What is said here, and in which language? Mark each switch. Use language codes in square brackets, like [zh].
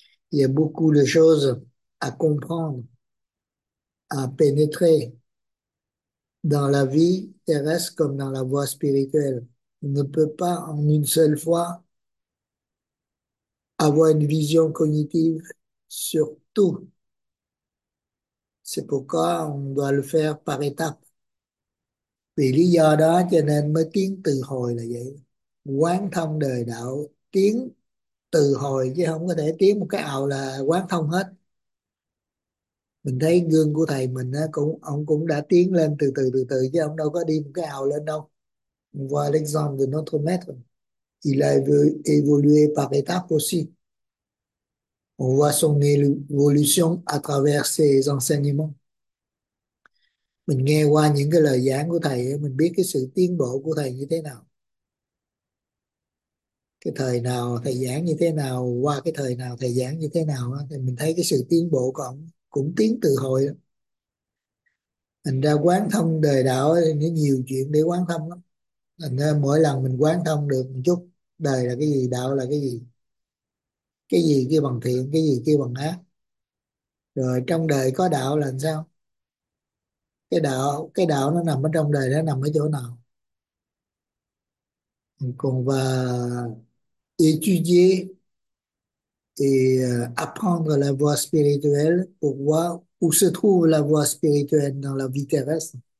[fr] Il y a beaucoup de choses à comprendre, à pénétrer dans la vie terrestre comme dans la voie spirituelle. On ne peut pas en une seule fois avoir une vision cognitive sur tout. C'est pourquoi on doit le faire par étapes. [vi] Vì lý do đó cho nên mới tiến từ hồi là vậy. Quán thông đời đạo tiến từ hồi chứ không có thể tiến một cái ào là quán thông hết. Mình thấy gương của thầy mình á, cũng ông cũng đã tiến lên từ từ từ từ, chứ ông đâu có đi một cái ào lên đâu. [fr] Voir l'exemple de notre maître, il a évolué par étapes aussi. On voit son évolution à travers ses enseignements. [vi] Mình nghe qua những cái lời giảng của thầy, mình biết cái sự tiến bộ của thầy như thế nào. Cái thời nào thầy giảng như thế nào, qua cái thời nào thầy giảng như thế nào, thì mình thấy cái sự tiến bộ của ông cũng tiến từ hồi đó. Thành ra quán thông đời đạo thì nó nhiều chuyện để quán thông lắm. Thành ra mỗi lần mình quán thông được một chút, đời là cái gì, đạo là cái gì, cái gì kia bằng thiện, cái gì kia bằng ác, rồi trong đời có đạo là làm sao, cái đạo nó nằm ở trong đời, nó nằm ở chỗ nào. Còn [fr] và étudier et apprendre la voie spirituelle pour voir où se trouve la voie spirituelle dans la vie terrestre.